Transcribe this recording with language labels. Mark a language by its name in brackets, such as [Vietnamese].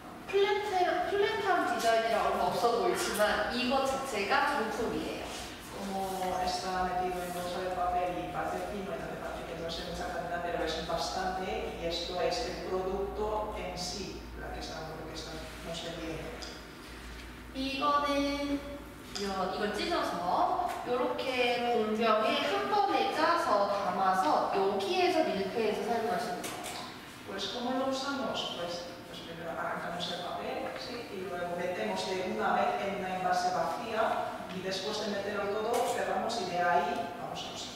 [Korean] 플랫한 디자인이라고 하면 없어 보이지만 이거 자체가 정품이에요. [Spanish] Como está metido en bolsa de papel y parte fino, entonces parece que no es mucha cantidad, pero es bastante y esto es el producto en sí, la que está, lo que está, no sé bien. [Korean] 이걸 찢어서 이렇게 공병에 한 번에 짜서 담아서 여기에서 밀크해서 사용하시는 거예요. [Spanish] Pues como lo usamos, pues primero arrancamos el papel, sí, y luego metemos de una vez en una envase vacía. Y después de meterlo todo, cerramos y de ahí vamos a